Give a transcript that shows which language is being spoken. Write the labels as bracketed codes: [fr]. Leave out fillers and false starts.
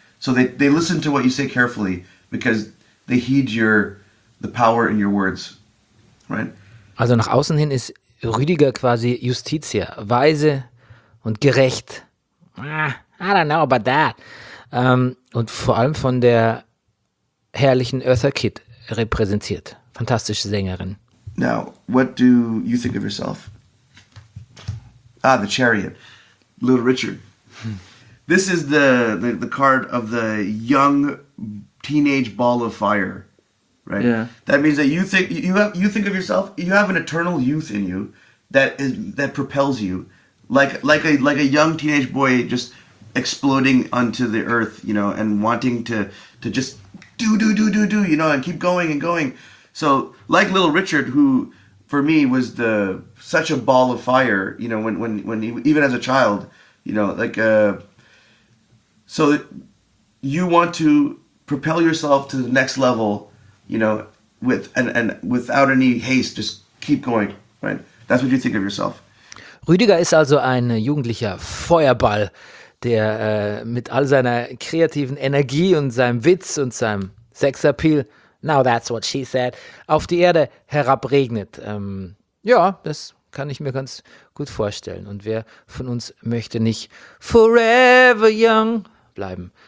[en] So they listen to what you say carefully because they heed the power in your words, right? [de] Also nach außen hin ist Rüdiger quasi Justitia, weise und gerecht. [en] I don't know about that. [de] Und vor allem von der herrlichen Eartha Kitt repräsentiert. Fantastische Sängerin. [en] Now, what do you think of yourself? Ah, the Chariot. Little Richard. This is the card of the young teenage ball of fire, right? Yeah. That means that you think of yourself, you have an eternal youth in you that propels you. Like a young teenage boy just exploding onto the earth, you know, and wanting to just do, you know, and keep going and going. So like little Richard, who for me was such a ball of fire, you know, when even as a child, you know, like, so you want to propel yourself to the next level, you know, and without any haste, just keep going, right? That's what you think of yourself. [de] Rüdiger ist also ein jugendlicher Feuerball, der mit all seiner kreativen Energie und seinem Witz und seinem Sexappeal, [en] now that's what she said, [de] auf die Erde herabregnet. Ja, das kann ich mir ganz gut vorstellen. Und wer von uns möchte nicht [en] forever young [de] bleiben?